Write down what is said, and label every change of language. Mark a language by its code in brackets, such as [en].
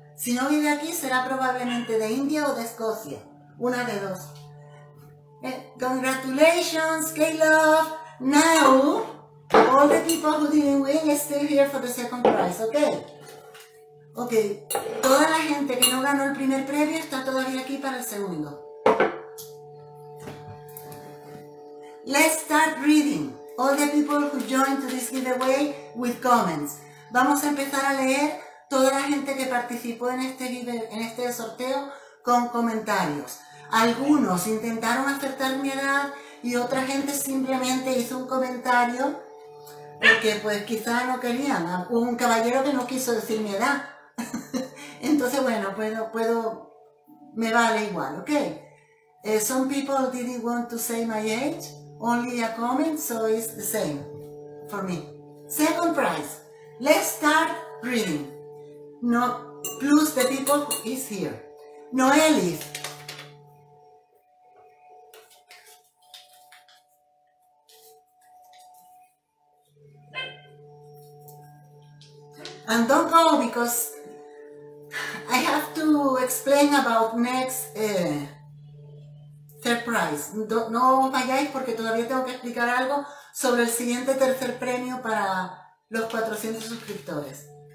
[es] Si no vive aquí, será probablemente de India o de Escocia. Una de dos. [en] Congratulations, Caleb. Now, all the people who didn't win are still here for the second prize, okay? [es] Okay, toda la gente que no ganó el primer premio está todavía aquí para el segundo. [en] Let's start reading. all the people who joined to this giveaway with comments. [es] Vamos a empezar a leer toda la gente que participó en este sorteo con comentarios. Algunos intentaron acertar mi edad y otra gente simplemente hizo un comentario porque pues quizá no querían. Hubo un caballero que no quiso decir mi edad. Entonces, bueno, me vale igual, ¿ok? [en] Some people didn't want to say my age, only a comment, so it's the same for me. Second prize. Let's start reading. No, plus the people who is here. Noelis. And don't go because I have to explain about next third prize. [es] No vayáis porque todavía tengo que explicar algo sobre el siguiente tercer premio para los 400 suscriptores.